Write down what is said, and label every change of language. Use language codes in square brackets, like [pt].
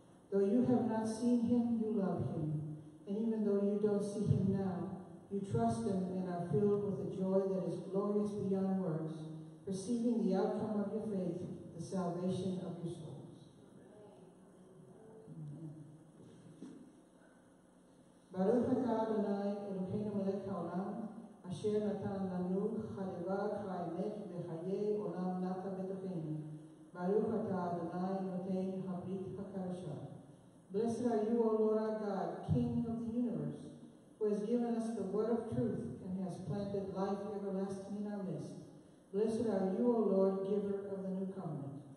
[en] Though you have not seen him, you love him. And even though you don't see him now, you trust him and are filled with a joy that is glorious beyond words, receiving the outcome of your faith, the salvation of your soul. [he] ברוך אתה אדוני אלוהינו מלך העולם אשר נתן לנו חלבך האמת וחיי עולם נתה בתוכנו. ברוך אתה אדוני נותן הברית הקדושה. [en] Blessed are you, O Lord our God, King of the universe, who has given us the word of truth and has planted life everlasting in our midst. Blessed are you, O Lord, giver of the new covenant.